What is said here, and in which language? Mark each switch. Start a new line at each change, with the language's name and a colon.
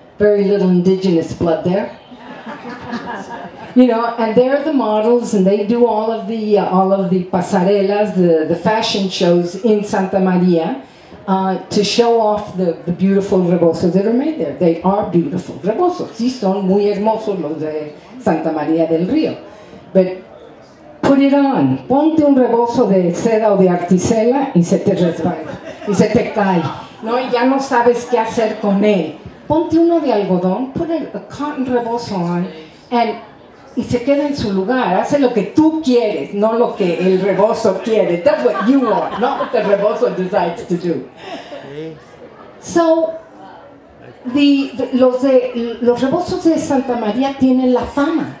English: Very little indigenous blood there. You know, and they're the models, and they do all of the pasarelas, the fashion shows in Santa María, to show off the beautiful rebozos that are made there. They are beautiful rebozos.
Spanish: Sí, son muy hermosos los de Santa María del Río.
English: But put it on.
Spanish: Ponte un rebozo de seda o de articela y se te resbala, y se te cae. No, y ya no sabes qué hacer con él. Ponte uno de algodón,
English: put a cotton rebozo on, and
Spanish: y se queda en su lugar, hace lo que tú quieres, no lo que el rebozo quiere.
English: That's what you want, not what the rebozo decides to do.
Spanish: So, los rebozos de Santa María tienen la fama.